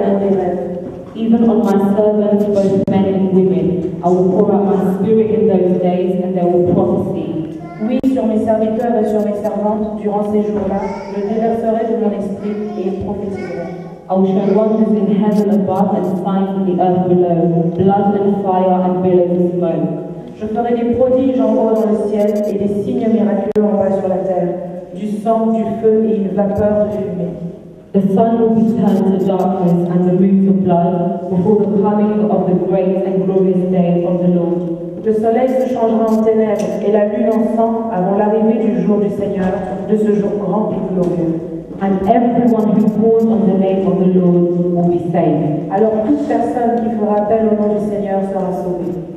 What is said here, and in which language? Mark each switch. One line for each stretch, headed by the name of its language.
English: Even on my servants, both men and women, I will pour out my spirit in those days, and they will prophesy.
French: Oui, sur mes serviteurs et sur mes servantes, durant ces jours-là, je déverserai de mon esprit et ils prophétiseront.
English: I will show wonders in heaven above and signs in the earth below, blood and fire and billows of smoke.
French: Je ferai des prodiges en haut dans le ciel et des signes miraculeux en bas sur la terre, du sang, du feu et une vapeur de fumée.
English: The sun will be turned to darkness and the moon to blood before the coming of the great and glorious day of the Lord.
French: Le soleil se changera en ténèbres et la lune en sang avant l'arrivée du jour du Seigneur, de ce jour grand et glorieux.
English: And everyone who calls on the name of the Lord will be saved.
French: Alors toute personne qui fera appel au nom du Seigneur sera sauvée.